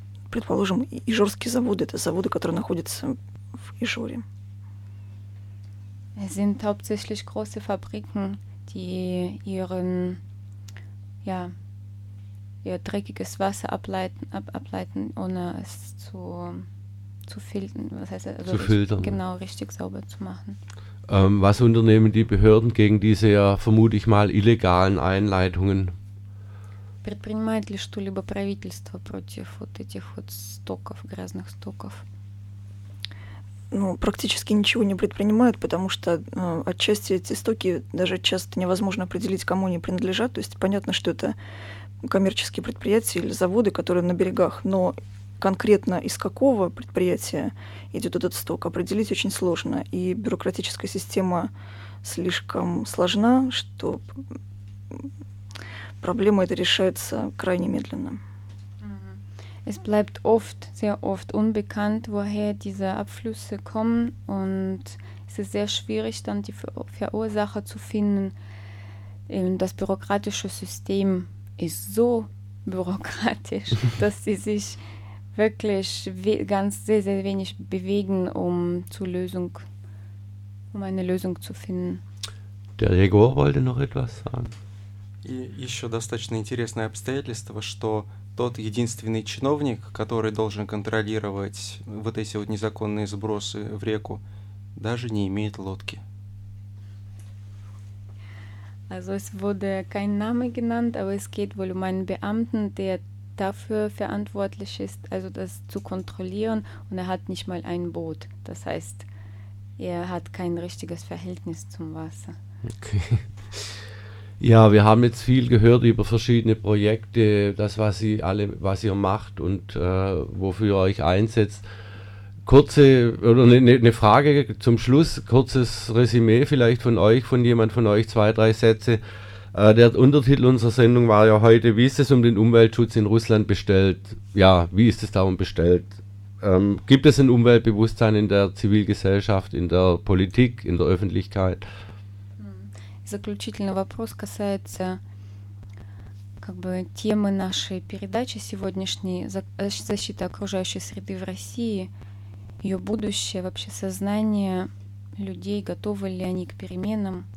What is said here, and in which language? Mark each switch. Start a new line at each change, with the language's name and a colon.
Russian: Предположим, ижорские заводы, это заводы, которые находятся в Ижоре.
German: Es sind hauptsächlich große Fabriken, die ihr dreckiges Wasser ableiten, ohne es zu filtern. Was heißt also zu filtern. Genau, richtig sauber zu machen. Was unternehmen die Behörden gegen diese ja vermute ich mal illegalen Einleitungen?
Russian: Предпринимает ли что-либо правительство против вот этих вот стоков, грязных стоков? Ну, практически ничего не предпринимают, потому что отчасти эти стоки даже часто невозможно определить, кому они принадлежат. То есть понятно, что это коммерческие предприятия или заводы, которые на берегах, но конкретно из какого предприятия идет этот сток, определить очень сложно. И бюрократическая система слишком сложна, что проблема эта решается крайне медленно.
German: Es bleibt oft, sehr oft unbekannt, woher diese Abflüsse kommen und es ist sehr schwierig, dann die Verursacher zu finden. Das bürokratische System ist so bürokratisch, dass sie sich wirklich ganz sehr, sehr wenig bewegen, um eine Lösung zu finden. Der Jäger wollte noch etwas sagen.
Russian: Еще достаточно интересное обстоятельство, что тот единственный чиновник, который должен контролировать вот эти вот незаконные сбросы в реку, даже не имеет лодки.
German: Also es wurde kein Name genannt, aber es geht wohl um einen Beamten, der dafür verantwortlich ist, also das zu kontrollieren, und er hat nicht mal ein Boot. Das heißt, er hat kein richtiges Verhältnis zum Wasser. Okay. Ja, wir haben jetzt viel gehört über verschiedene Projekte, das, was ihr macht und wofür ihr euch einsetzt. Kurze, oder eine Frage zum Schluss, kurzes Resümee vielleicht von euch, von jemand von euch, zwei, drei Sätze. Der Untertitel unserer Sendung war ja heute, wie ist es um den Umweltschutz in Russland bestellt? Ja, wie ist es darum bestellt? Gibt es ein Umweltbewusstsein in der Zivilgesellschaft, in der Politik, in der Öffentlichkeit?
Russian: Заключительный вопрос касается как бы темы нашей передачи сегодняшней, защита окружающей среды в России, ее будущее, вообще сознание людей, готовы ли они к переменам.